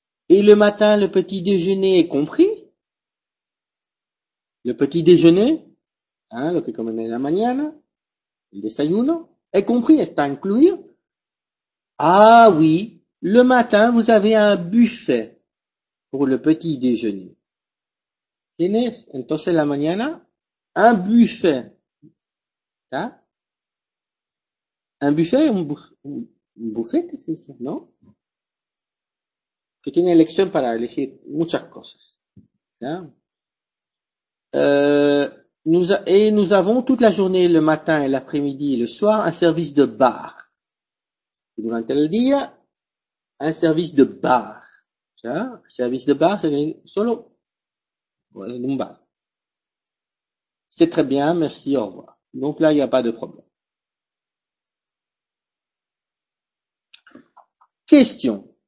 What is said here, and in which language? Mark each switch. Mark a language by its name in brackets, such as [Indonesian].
[French] Et le matin, le petit déjeuner est compris? Le petit déjeuner, [Spanish] lo que comen en la mañana, el desayuno, [French] est compris, est à inclure? Ah oui, le matin, vous avez un buffet pour le petit déjeuner. [Spanish] Tienes, entonces la mañana, un buffet. ¿Está? Un buffet, un buffet, ¿qué se dice? ¿No? Que tiene elección para elegir muchas cosas. ¿Está? [French] Nous avons toute la journée, le matin et l'après-midi et le soir, un service de bar. [Spanish] Durante el día, [French] un service de bar. [Spanish] ¿Está? [French] Service de bar, c'est solo. C'est très bien, merci, au revoir. Donc là, il n'y a pas de problème. Question.